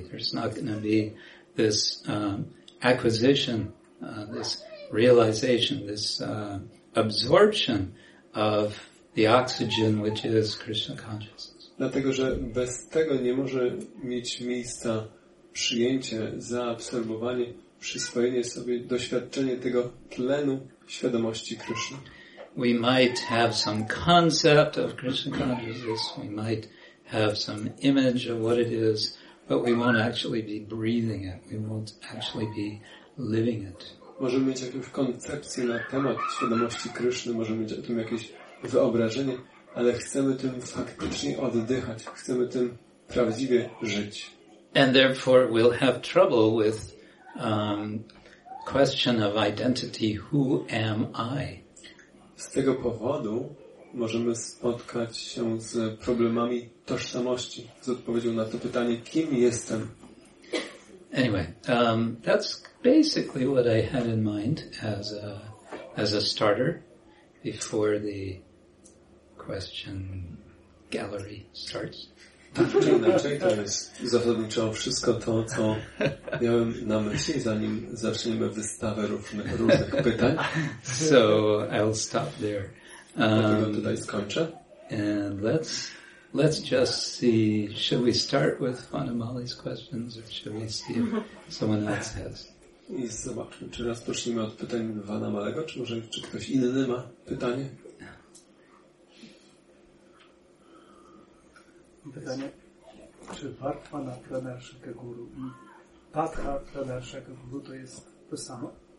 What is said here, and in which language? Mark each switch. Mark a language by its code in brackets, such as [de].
[en] There's not going to be this acquisition, this realization, this absorption of the oxygen, which is Krishna consciousness. [pl] Dlatego, że bez tego nie może mieć miejsca przyjęcie, zaabsorbowanie, przyswojenie sobie, doświadczenie tego tlenu świadomości Krishna. [en] We might have some concept of Krishna consciousness, we might have some image of what it is, but we won't actually be breathing it, we won't actually be living it. [pl] Możemy mieć jakąś koncepcję na temat świadomości Krishna, możemy mieć o tym jakieś wyobrażenie, ale chcemy tym faktycznie oddychać, chcemy tym prawdziwie żyć. [en] And therefore we'll have trouble with question of identity, who am I? [pl] Z tego powodu możemy spotkać się z problemami tożsamości, z odpowiedzią na to pytanie, kim jestem? [en] Anyway, that's basically what I had in mind as a starter before the question gallery starts. [pl] Tak czy inaczej, to jest zasadniczo wszystko to, co miałem na myśli, zanim zaczniemy wystawę różnych pytań. [en] So I'll stop there. [pl] Dlatego tutaj skończę. [en] And let's just see, should we start with Fanamali's questions, or should we see if someone else has? [pl] I zobaczmy, czy rozpocznijmy od pytań Fanamalego, czy może czy ktoś inny ma pytanie? Pytanie, czy Bhartva na Pranarshaka Guru i Patha Pranarshaka Guru to jest to samo?